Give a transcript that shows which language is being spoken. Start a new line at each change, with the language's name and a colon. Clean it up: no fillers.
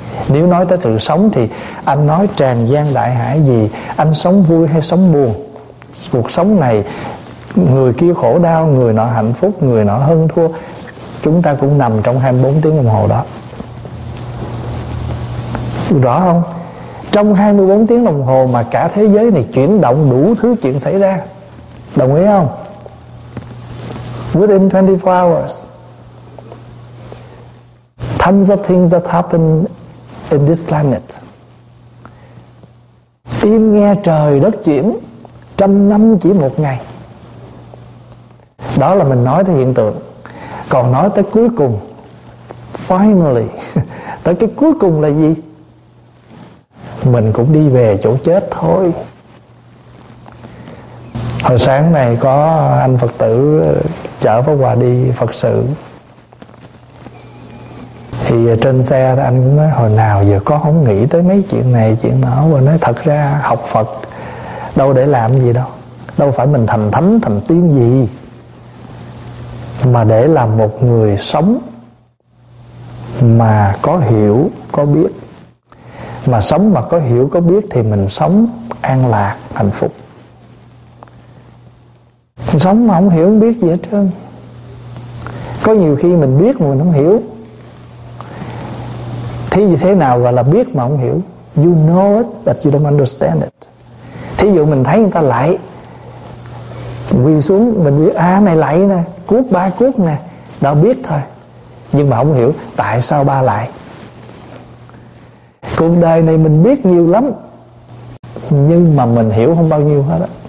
Vietnamese: Nếu nói tới sự sống thì anh nói tràn gian đại hải gì, anh sống vui hay sống buồn, cuộc sống này người kia khổ đau, người nọ hạnh phúc, người nọ hơn thua, chúng ta cũng nằm trong 24 tiếng đồng hồ đó. Rõ không? Trong 24 tiếng đồng hồ mà cả thế giới này chuyển động, đủ thứ chuyện xảy ra. Đồng ý không?
English: Within 24 hours, tons of things that happen in this planet.
Vietnamese: Im nghe trời đất chuyển, trăm năm chỉ một ngày. Đó là mình nói tới hiện tượng. Còn nói tới cuối cùng, finally, tới cái cuối cùng là gì? Mình cũng đi về chỗ chết thôi. Hồi sáng này có anh Phật tử chở Pháp Hòa đi Phật sự, thì trên xe anh cũng nói hồi nào giờ có không nghĩ tới mấy chuyện này chuyện nọ. Và nói thật ra học Phật đâu để làm gì đâu, đâu phải mình thành thánh thành tiên gì, mà để làm một người sống mà có hiểu có biết, mà sống mà có hiểu có biết thì mình sống an lạc hạnh phúc. Mình sống mà không hiểu không biết gì hết trơn. Có nhiều khi mình biết mà mình không hiểu. Thí dụ thế nào gọi là biết mà không hiểu?
English: You know it but you don't understand it.
Vietnamese: Thí dụ mình thấy người ta lạy, quỳ xuống mình biết à này lạy nè, cuốc ba cuốc nè, đã biết thôi. Nhưng mà không hiểu tại sao ba lại. Cuộc đời này mình biết nhiều lắm, nhưng mà mình hiểu không bao nhiêu hết á.